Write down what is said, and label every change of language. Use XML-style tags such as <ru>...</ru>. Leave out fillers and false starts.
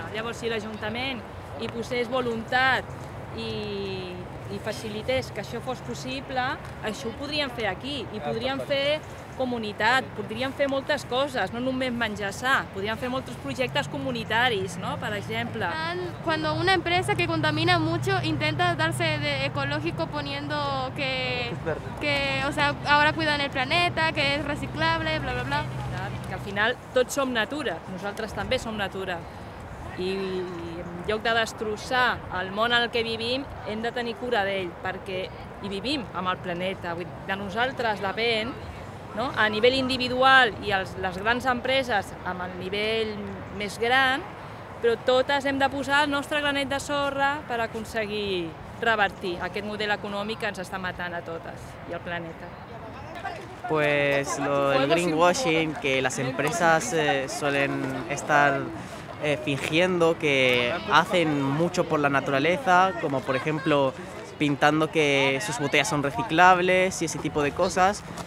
<ca>Llavors, si l'Ajuntament hi posés voluntat i facilités que això fos possible, això ho podríem fer aquí i podríem fer comunitat, podríem fer moltes coses, no només menjar sa, podríem fer molts projectes comunitaris, no? Per exemple. Quan una empresa que</ca> <es>contamina mucho intenta darse de ecológico poniendo que o sea, ahora cuidan el planeta, que es reciclable, bla, bla, bla.</es> <ca>Que al final tots som natura, nosaltres també som natura. I en lloc de destrossar el món en el que vivim, hem de tenir cura d'ell, perquè hi vivim, amb el planeta. Vull dir, de nosaltres depèn, no? A nivell individual i les grans empreses amb el nivell més gran, però totes hem de posar el nostre granet de sorra per aconseguir revertir aquest model econòmic que ens està matant a totes i al planeta.</ca> <es>Pues lo del greenwashing, que las empresas suelen estar fingiendo que hacen mucho por la naturaleza, como por ejemplo pintando que sus botellas son reciclables y ese tipo de cosas.</es>